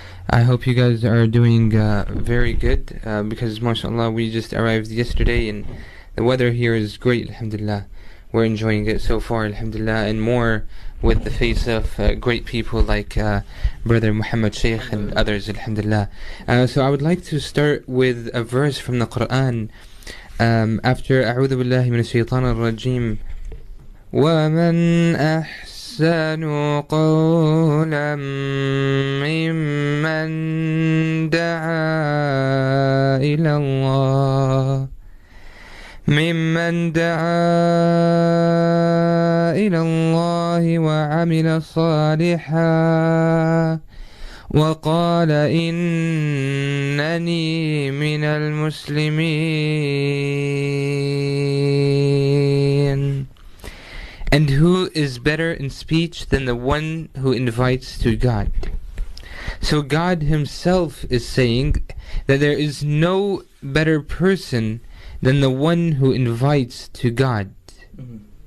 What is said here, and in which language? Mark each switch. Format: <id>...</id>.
<en>I hope you guys are doing very good because, mashallah, we just arrived yesterday and the weather here is great, alhamdulillah. We're enjoying it so far, alhamdulillah, and more with the face of great people like Brother Muhammad Sheikh and others, alhamdulillah. So I would like to start with a verse from the Qur'an.</en> <ar>After أعوذ بالله من الشيطان الرجيم وَمَنْ أَحْسَنُ قَوْلًا مِّمَّنْ دَعَى إِلَى اللَّهِ ممن دعا إلى الله وعمل صالحا وقال إنني من المسلمين.</ar> <en>And who is better in speech than the one who invites to God? So God himself is saying that there is no better person than the one who invites to God. Mm-hmm.</en>